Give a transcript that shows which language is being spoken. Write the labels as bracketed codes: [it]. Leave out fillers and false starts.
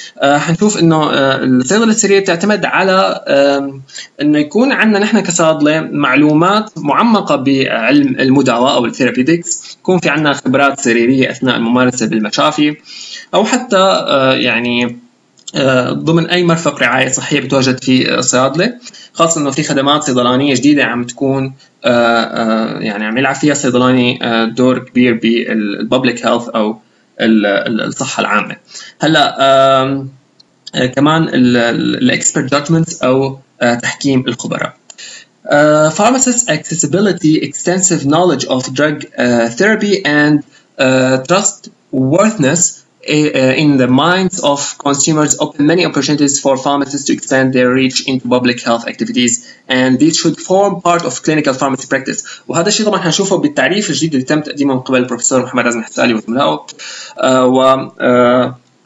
[ar] حنشوف انه الصيدله السريريه بتعتمد على انه يكون عندنا نحن كصيادله معلومات معمقه بعلم المداواة او الثيرابيوتكس، يكون في عندنا خبرات سريريه اثناء الممارسه بالمشافي او حتى يعني ضمن اي مرفق رعايه صحيه بتواجد فيه الصيادله، خاصه انه في خدمات صيدلانيه جديده عم تكون يعني عم يلعب فيها صيدلاني دور كبير بالببليك هيلث او الصحه العامه. هلا كمان الاكسبرت جادجمنت او تحكيم الخبراء. [en] Pharmacist accessibility, extensive knowledge of drug therapy and trustworthiness in the minds of consumers open many opportunities for pharmacists to expand their reach into public health activities and this should form part of clinical pharmacy practice. [ar] وهذا الشيء طبعا هنشوفه بالتعريف الجديد اللي تم تقديمه من قبل البروفيسور محمد عزمي حثالي وزملائه.